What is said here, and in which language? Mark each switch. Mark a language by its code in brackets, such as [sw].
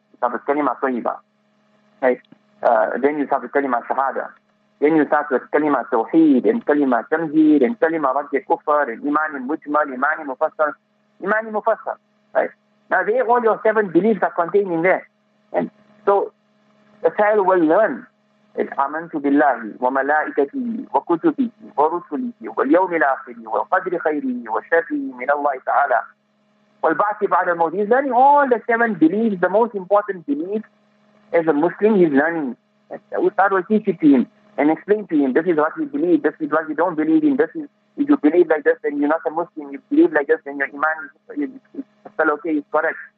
[en] We start with kalima tayyiba. Right? Then you start with kalima shahada. Then you start with kalima tawheed, and kalima tamjeed, and kalima radd al-kufr, and iman al-mujmal, iman al-mufassal. Iman al-mufassal. Right? Now there, all your seven beliefs are contained in there. And so the child will learn. [ar] آمنتُ بالله وملائكته وكتبه ورسله واليوم الآخر والقدر خيره وشره من الله تعالى والبعث بعد الموت. [en] He's learning all the seven beliefs, the most important beliefs as a Muslim. He's learning. Ustad will teach it to him and explain to him, this is what you believe, this is what you don't believe in, this is, if you believe like this then you're not a Muslim, if you believe like this then your iman is okay, it's correct.